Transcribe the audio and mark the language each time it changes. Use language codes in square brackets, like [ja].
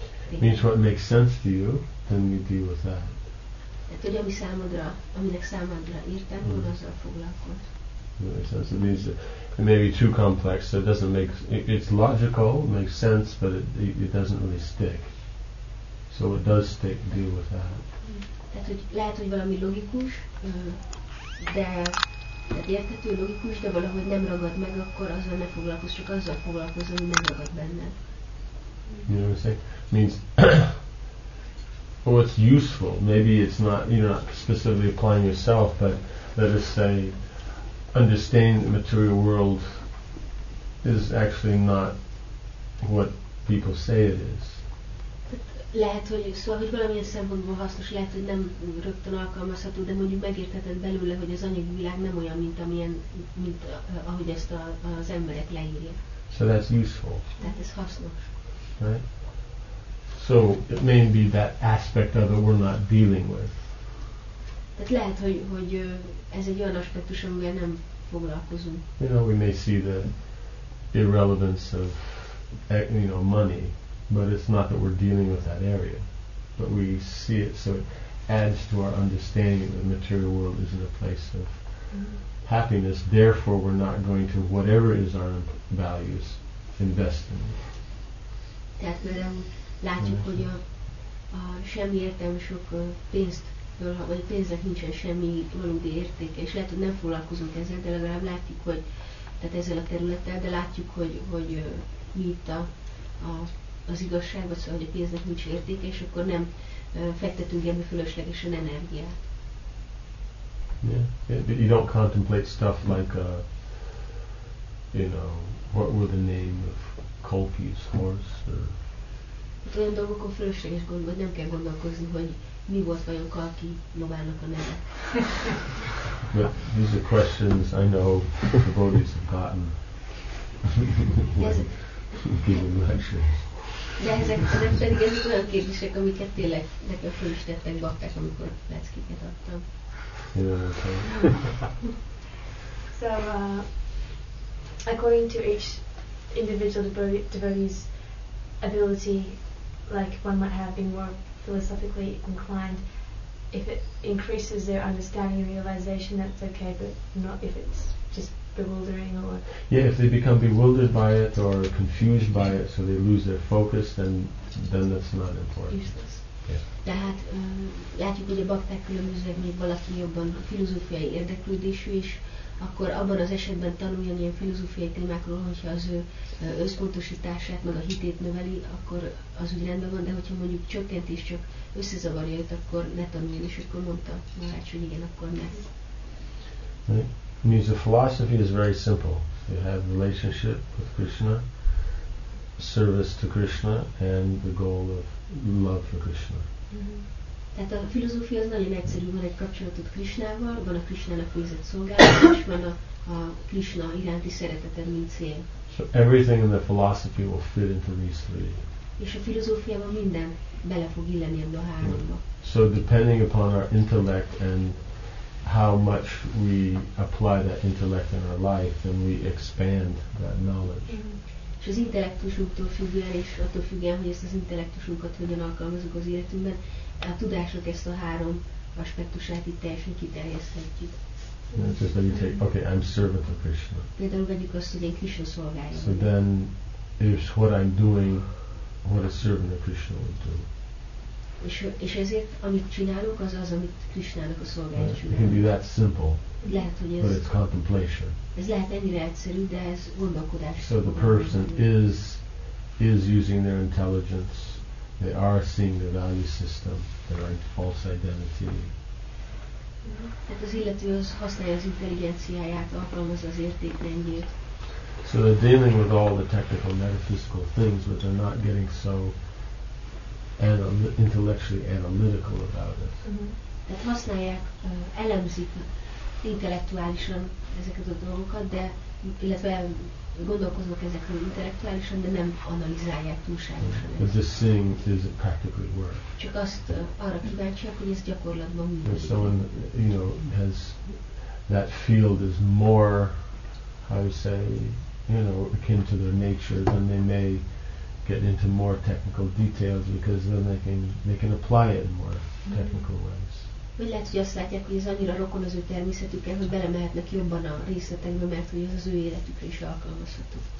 [en] Means what makes sense to you, then you deal with that. [hu] Tehát, hogy ami számodra, aminek számodra értem, hogy azzal foglalkozz. [en] It means it may be too complex, so it doesn't make... It's logical, makes sense, but it doesn't really stick. So it does stick, deal with that. [hu] Tehát, hogy lehet, hogy valami logikus, de érthető, logikus, de valahogy nem ragad meg, akkor azzal ne foglalkozz, csak azzal foglalkozz, ami nem ragad benned. [en] You know what I'm saying? Means... Well, it's useful. Maybe it's not, you're not specifically applying yourself, but let us say, understanding the material world is actually not what people say it is. [hu] Lehet, hogy szóval, hogy valamilyen szempontból hasznos, lehet, hogy nem rögtön alkalmazható, de mondjuk megértheted belőle, hogy az anyagi világ nem olyan, mint amilyen, mint ahogy ezt az emberek leírják. [en] So that's useful. [hu] Tehát ez hasznos. [en] Right? So it may be that aspect of it we're not dealing with. [hu] Tehát lehet, hogy ez egy olyan aspektus, amivel nem foglalkozunk. [en] You know, we may see the irrelevance of, you know, money. But it's not that we're dealing with that area, but we see it, so it adds to our understanding that the material world isn't a place of happiness, therefore we're not going to, whatever is our values, invest in it. [hu] Tehát látjuk, hogy a semmi értelme sok pénzt, vagy a pénznek nincsen semmi valódi értéke, és lehet, hogy nem foglalkozunk ezzel, de legalább látjuk, hogy, tehát ezzel a területtel, de látjuk, hogy mi itt az igazság, vagy szóval, hogy a pénznek nincs értéke, és akkor nem fektetünk ilyen fölöslegesen energiát. [en] Yeah. You don't contemplate stuff like, you know, what were the name of Kolpi's horse, or... [hu] Hát olyan dolgokon fölösleges gondolni, vagy nem kell gondolkozni, hogy mi volt vajon Kalki lovának a neve. [en] But these are questions I know the devotees have gotten when giving lectures. [hu] De ezek pedig ezek olyan kérdések, amiket tényleg nekem föl is tettek bakták, amikor leckéket adtam. [en] So, according to each individual devotee's ability, like one might have been more philosophically inclined, if it increases their understanding and realization, that's okay, but not if it's just bewildering, or yeah, if they become bewildered by it or confused by it, so they lose their focus, then that's not important. Useless. Yeah. [hu] Tehát látjuk, hogy a bakták különbözőek, még valaki jobban filozófiai érdeklődésű is, akkor abban az esetben tanuljon ilyen filozófiai témákról, hogyha az ő összpontosítását, meg a hitét növeli, akkor az úgy rendben van, de hogyha mondjuk csökkent és csak összezavarja őt, akkor ne tanuljon, és akkor mondta Maharaj, hogy igen, akkor ne. [en] Right. Means the philosophy is very simple. You have relationship with Krishna, service to Krishna, and the goal of love for Krishna. [hu] Tehát a filozófia az nagyon egyszerű, van egy kapcsolatot Krishnával, van a Krishnának végzett szolgálat, és van a Krishna iránti szereteted, mint cél. [en] So everything in the philosophy will fit into these three. [hu] És a filozófiában minden bele fog illeni ebbe a háromba. [en] So depending upon our intellect and how much we apply that intellect in our life, then we expand that knowledge. [hu] És az intellektusunktól függően, és attól függően, hogy ezt az intellektusunkat hogyan alkalmazunk az életünkben, a tudások ezt a három aspektusát itt teljesen kiterjeszthetjük. [en] Just let me take, okay, I'm servant of Krishna. [hu] Például vegyük azt, hogy én Krishna szolgáljam. [en] So then, it's what I'm doing, what a servant of Krishna would do. [hu] És ezért, amit csinálok, az, amit Krishnának a szolgálat csinál. [en] It can be that simple, [hu] lehet, hogy [en] but it's contemplation. [hu] Ez lehet ennyire egyszerű, de ez gondolkodás. [en] So the person is using their intelligence, they are seeing the value system, their false identity. [hu] Tehát az illető az használja az intelligenciáját, alkalmazza az értékrendjét. [en] So they're dealing with all the technical metaphysical things, but they're not getting so intellectually analytical about it. [hu] Tehát használják, elemzik intellektuálisan ezeket a dolgokat, de illetve gondolkoznak ezekről intellektuálisan, de nem analizálják túlságosan. [en] But this thing is a practical work. [hu] Csak azt arra kíváncsiak, hogy ez gyakorlatban mi. [en] If someone, you know, has that field is more, how you say, you know, akin to their nature, then they may get into more technical details because then they can apply it in more technical ways. [hu] Vagy lehet, hogy azt látják, hogy ez annyira rokon az ő természetükkel, hogy belemehetnek jobban a részletekbe, mert hogy az ő életükre is alkalmazható.